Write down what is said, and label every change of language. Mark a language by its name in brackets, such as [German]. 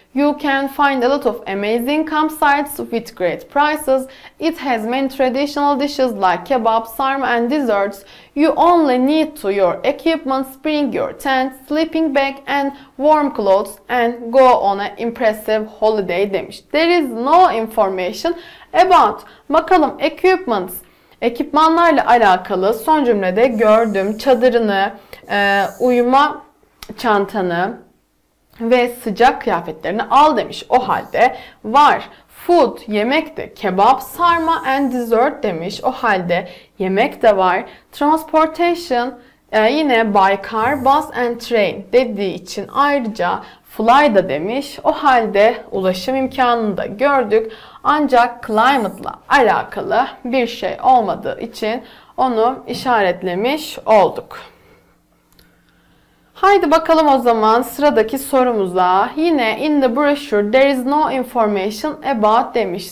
[English] You can find a lot of amazing campsites with great prices. It has many traditional dishes like kebab, sarma and desserts. You only need to your equipment, bring your tent, sleeping bag and warm clothes and go on an impressive holiday demiş. There is no information about bakalım equipments. [Turkish] Ekipmanlarla alakalı son cümlede gördüm çadırını, uyuma çantanı ve sıcak kıyafetlerini al demiş. O halde var. Food, yemek de. Kebap, sarma and dessert demiş. O halde yemek de var. Transportation, yine [English] by car, bus and train [Turkish] dediği için ayrıca fly da demiş. O halde ulaşım imkanını da gördük. Ancak climate'la alakalı bir şey olmadığı için onu işaretlemiş olduk. Haydi bakalım o zaman sıradaki sorumuza. [English] Yine in the brochure there is no information about demiş.